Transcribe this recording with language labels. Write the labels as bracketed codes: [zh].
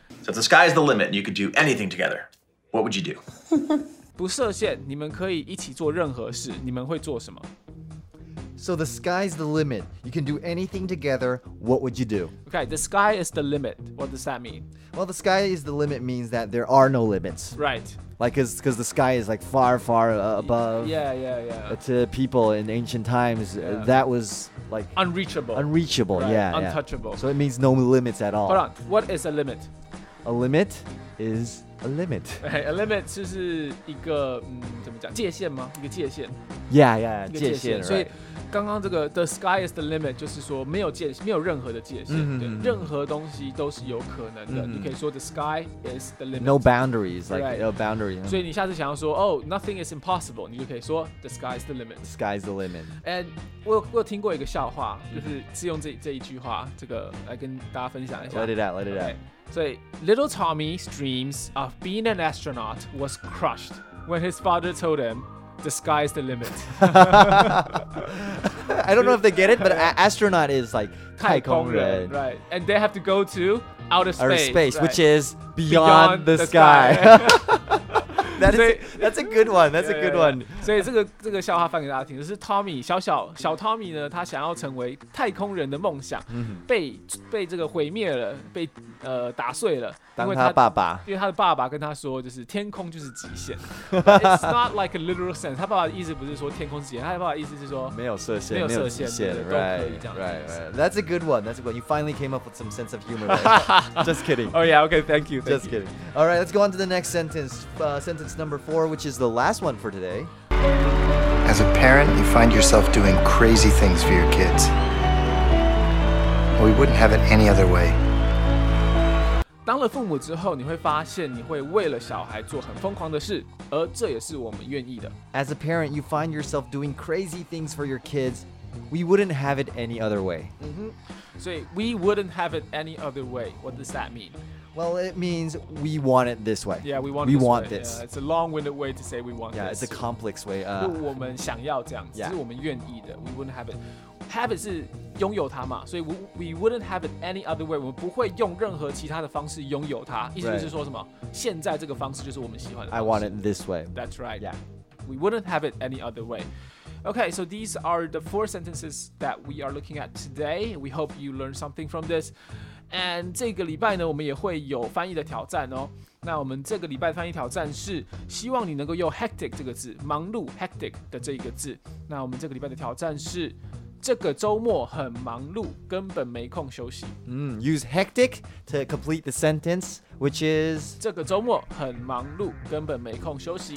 [en] So if the sky's the limit, you could do anything together. What would you do? [zh] 不设限，你们可以一起做任何事。你们会做什么？ [en] So the sky's the limit. You can do anything together. What would you do? Okay, the sky is the limit. What does that mean? Well, the sky is the limit means that there are no limits. Right. Like, because the sky is like far, far above. Yeah. To people in ancient times, that was like... Unreachable. Right. Yeah. Untouchable. Yeah. So it means no limits at all. Hold on. What is a limit? A limit is... A limit. Right, a limit [zh] 就是一个怎么讲界限吗？一个界限。 [en] Yeah, [zh] 界限。所以刚刚这个 [en] the sky is the limit [zh] 就是说没有界限，没有任何的界限，对，任何东西都是有可能的。你可以说 [en] the sky is the limit. No boundaries, like no boundary. [zh] 所以你下次想要说 [en] oh nothing is impossible, [zh] 你就可以说 [en] the sky is the limit. Sky is the limit. [zh] And 我有听过一个笑话，就是是用这一句话，这个来跟大家分享一下。 [en] Let it out. So, little Tommy's dreams of being an astronaut was crushed when his father told him, the sky's the limit. I don't know if they get it, but astronaut is like [zh] 太空人 right. [en] And they have to go to outer space, which is beyond the sky. That's a good one. That's a good one. [zh] 所以这个笑话翻给大家听，就是 Tommy 小 Tommy 呢，他想要成为太空人的梦想，被这个毁灭了，被打碎了。当他爸爸，因为他的爸爸跟他说，就是天空就是极限。 [en] It's not like a literal sense. [zh] 他爸爸的意思不是说天空极限，他爸爸的意思是说没有设限，都可以这样子。 [en] Right. That's a good one. That's a good one. You finally came up with some sense of humor. Just kidding. Oh yeah. Okay. Thank you. Just kidding. All right. Let's go on to the next sentence. Sentence number four, which is the last one for today. As a parent, you find yourself doing crazy things for your kids. We wouldn't have it any other way. [zh] 当了父母之后，你会发现你会为了小孩做很疯狂的事，而这也是我们愿意的。 [en] As a parent, you find yourself doing crazy things for your kids. We wouldn't have it any other way. 所以 we wouldn't have it any other way. What does that mean? Well, it means we want it this way. Yeah, we want this. Yeah, it's a long-winded way to say we want this. Yeah, it's a complex way. [zh] 我们想要这样子，是我们愿意的。 [en] We wouldn't have it. [zh] Have it 是拥有它嘛，所以 [en] we wouldn't have it any other way. [zh] 我们不会用任何其他的方式拥有它。意思就是说什么？现在这个方式就是我们喜欢的方式。 [en] I want it this way. That's right. Yeah, we wouldn't have it any other way. Okay, so these are the four sentences that we are looking at today. We hope you learned something from this. [zh] And 这个礼拜呢，我们也会有翻译的挑战哦。那我们这个礼拜的翻译挑战是希望你能够用 hectic 这个字，忙碌 hectic 的这一个字。那我们这个礼拜的挑战是这个周末很忙碌，根本没空休息。 [en] Use hectic to complete the sentence, which is [zh] 这个周末很忙碌，根本没空休息。